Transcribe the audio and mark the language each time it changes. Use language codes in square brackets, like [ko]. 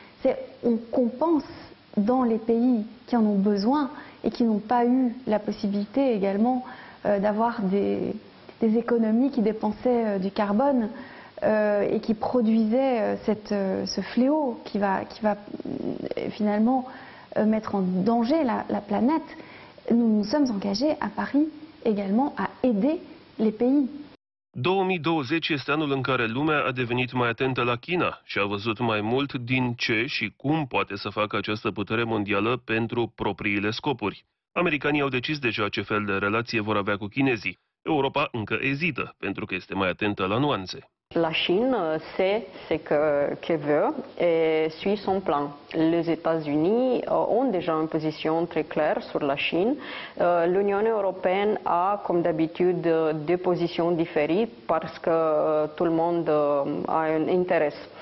[fr] C'est on compense dans les pays qui en ont besoin et qui n'ont pas eu la possibilité également d'avoir des économies qui dépensaient du carbone et qui produisaient ce fléau qui va finalement mettre en danger la planète. Nous nous sommes engagés à Paris également à aider les pays. [ro] 2020 este anul în care lumea a devenit mai atentă la China și a văzut mai mult din ce și cum poate să facă această putere mondială pentru propriile scopuri. Americanii au decis deja ce fel de relație vor avea cu chinezii. Europa încă ezită, pentru că este mai atentă la nuanțe. [fr] La Chine sait ce qu'elle veut et suit son plan. Les États-Unis ont déjà une position très claire sur la Chine. L'Union européenne a, comme d'habitude, deux positions différentes parce que tout le monde a un intérêt.